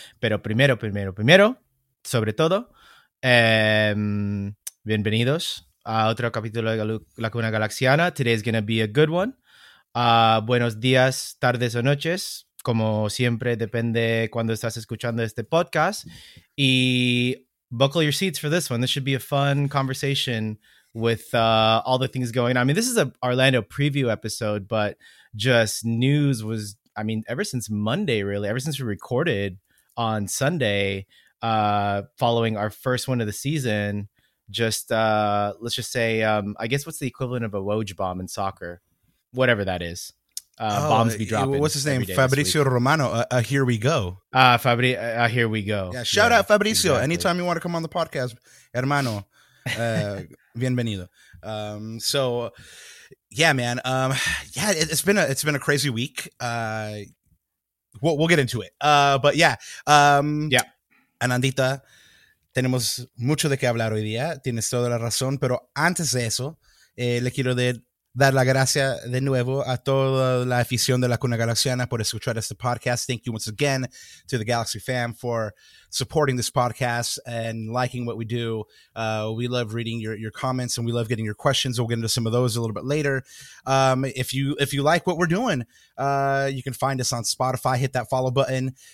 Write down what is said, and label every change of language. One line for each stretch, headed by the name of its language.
Spanish: Pero primero, sobre todo, bienvenidos a otro capítulo de Lacuna Galaxiana.
English: Today is going to be a good one.
Spanish: Buenos días, tardes o noches, como siempre, depende cuando estás escuchando este podcast.
English: Y buckle your seats for this one. This should be a fun conversation with all the things going on. I mean, this is a Orlando preview episode, but just news was, I mean, ever since Monday, really, ever since we recorded on Sunday, following our first win of the season, just let's just say, I guess what's the equivalent of a Woj bomb in soccer? Whatever that is, bombs be dropping. What's his name? Fabrizio Romano. Here we go. Here we go. Yeah, shout out Fabrizio. Exactly. Anytime you want to come on the podcast,
Spanish: hermano, bienvenido.
English: So, yeah, man. It's been a crazy week. We'll get into it. But yeah.
Spanish: Anandita, tenemos mucho de qué hablar hoy día. Tienes toda la razón. Pero antes de eso, le quiero decir. Dar la gracia de nuevo a toda la afición de la Cuna Galaxiana por escuchar este podcast.
English: Thank you once again to the Galaxy fam for supporting this podcast and liking what we do. We love reading your comments and we love getting your questions. We'll get into some of those a little bit later. If you like what we're doing, you can find us on Spotify. Hit that follow button.